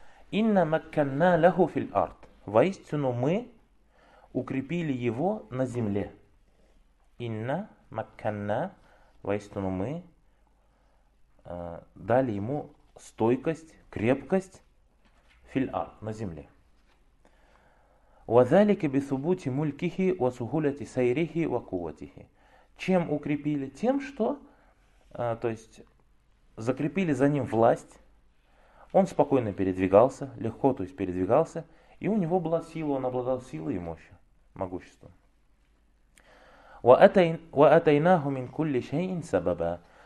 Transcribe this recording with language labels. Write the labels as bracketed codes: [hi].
[ar] Инна макканна лаху фил ард. [ru] Воистину мы укрепили его на земле. [ar] Инна макканна, [ru] воистину мы дали ему стойкость, крепкость. Филь-ар, на земле. [ar] وَذَلِكَ بِثُبُوتِ мулькихи وَسُهُولَةِ سَيْرِهِ وَكُوَّتِهِ. [ru] Чем укрепили? Тем, что, то есть, закрепили за ним власть. Он спокойно передвигался, легко, то есть, передвигался. И у него была сила, он обладал силой и мощью, могуществом. [ar] وَأَتَيْنَاهُ مِنْ كُلِّ شَيْءٍ سَبَبًا.